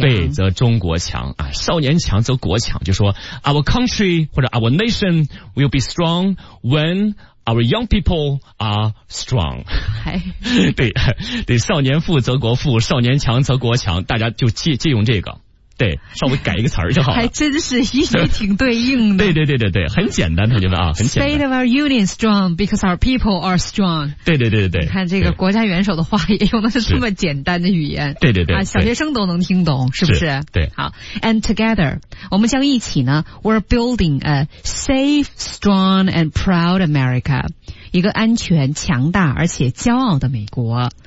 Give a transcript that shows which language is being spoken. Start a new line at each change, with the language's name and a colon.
Chinese: 对，则中国强啊，少年强则国强，就说
English: our country
Chinese: 或者
English: our nation will be strong whenOur young people are strong.
Chinese: 对对，少年富则国富，少年强则国强，大家就借用这个，对，稍微改一个词儿就好了。还真是一语挺对应的。对对对对对，很简单，同学们啊，很简单。
English: State of our union strong because our people are strong.
Chinese: 对对对对对，你看这个国家元首的话也用的是这么简单的语言。对对对，啊，小学生都能听懂，是不是？对。好
English: ，and together，
Chinese: 我们将一起呢
English: ，we're building a safe, strong, and proud America，
Chinese: 一个安全、强大而且骄傲的美国。